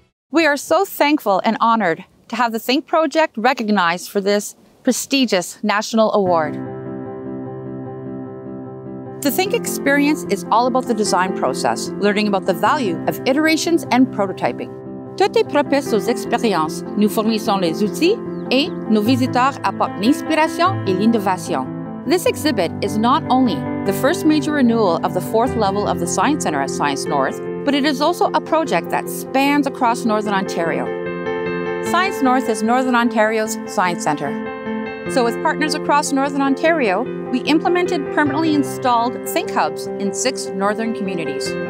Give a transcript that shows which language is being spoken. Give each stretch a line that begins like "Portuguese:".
English: We are so thankful and honored to have the Think Project recognized for this prestigious national award. The Think experience is all about the design process, learning about the value of iterations and prototyping.
French: Toutes tes propres expériences nous fournissent les outils et nos visiteurs apportent l'inspiration et l'innovation.
English: This exhibit is not only the first major renewal of the fourth level of the Science Center at Science North, but it is also a project that spans across Northern Ontario. Science North is Northern Ontario's science center. So with partners across Northern Ontario, we implemented permanently installed Think Hubs in six northern communities.